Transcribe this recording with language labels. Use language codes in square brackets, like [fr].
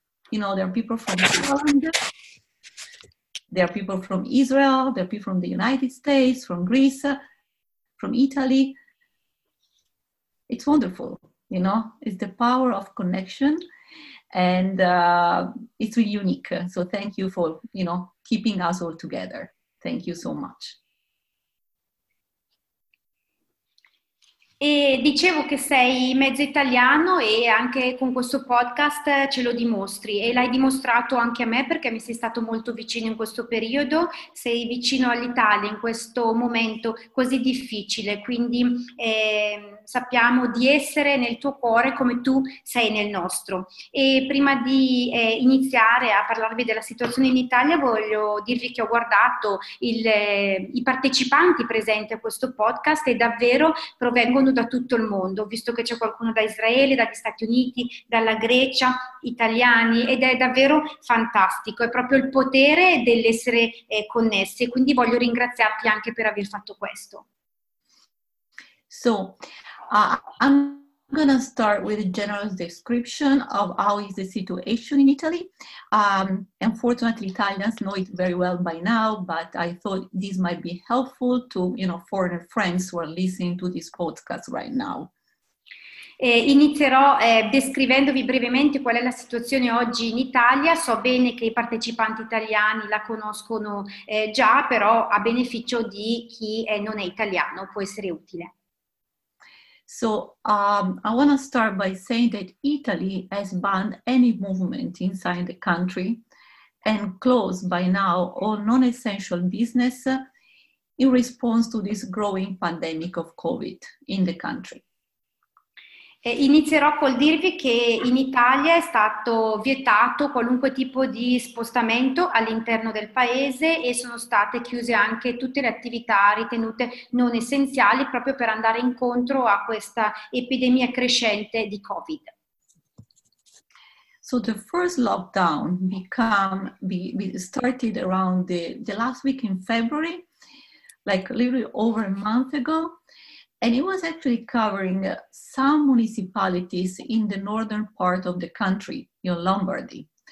[en] You know, there are people from Poland, there are people from Israel, there are people from the United States, from Greece, from Italy. It's wonderful. You know, it's the power of connection, and it's really unique. So thank you for, you know, keeping us all together. Thank you so much. [it] E dicevo che sei mezzo italiano, e anche con questo podcast ce lo dimostri, e l'hai dimostrato anche a me, perché mi sei stato molto vicino in questo periodo, sei vicino all'Italia in questo momento così difficile, quindi sappiamo di essere nel tuo cuore come tu sei nel nostro. E prima di iniziare a parlarvi della situazione in Italia, voglio dirvi che ho guardato i partecipanti presenti a questo podcast, e davvero provengo da tutto il mondo. Ho visto che c'è qualcuno da Israele, dagli Stati Uniti, dalla Grecia, italiani, ed è davvero fantastico. È proprio il potere dell'essere connessi. Quindi voglio ringraziarti anche per aver fatto questo. [en] So, I'm gonna start with a general description of how is the situation in Italy. Unfortunately, Italians know it very well by now, but I thought this might be helpful to, you know, foreign friends who are listening to this podcast right now. [it] Inizierò descrivendovi brevemente qual è la situazione oggi in Italia. So bene che i partecipanti italiani la conoscono già, però a beneficio di chi non è italiano può essere utile. [en] So I want to start by saying that Italy has banned any movement inside the country and closed by now all non-essential business in response to this growing pandemic of COVID in the country. [it] Inizierò col dirvi che in Italia è stato vietato qualunque tipo di spostamento all'interno del paese, e sono state chiuse anche tutte le attività ritenute non essenziali, proprio per andare incontro a questa epidemia crescente di Covid. [en] So the first lockdown started around the last week in February, like literally over a month ago. And it was actually covering some municipalities in the northern part of the country, you know, Lombardy.